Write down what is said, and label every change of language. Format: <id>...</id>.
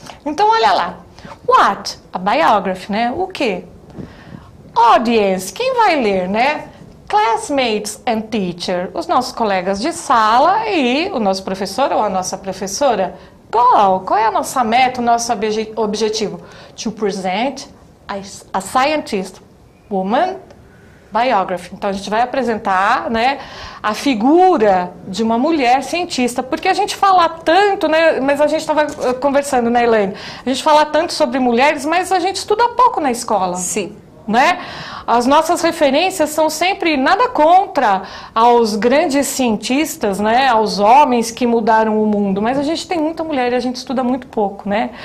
<pt>Então, olha lá.</pt> <en>What? A biography,</en> <pt>né? O quê?</pt> <en>Audience.</en> <pt>Quem vai ler, né?</pt> <en>Classmates and teacher,</en> <pt>os nossos colegas de sala e o nosso professor ou a nossa professora. Qual é a nossa meta, o nosso objetivo?</pt> <en>To present a scientist woman biography.</en> <pt>Então, a gente vai apresentar, né, a figura de uma mulher cientista, porque a gente fala tanto, né, mas a gente estava conversando, né, Elaine? A gente fala tanto sobre mulheres, mas a gente estuda pouco na escola. Sim. Né? As nossas referências são sempre, nada contra aos grandes cientistas, né, aos homens que mudaram o mundo, mas a gente tem muita mulher e a gente estuda muito pouco, né?</pt>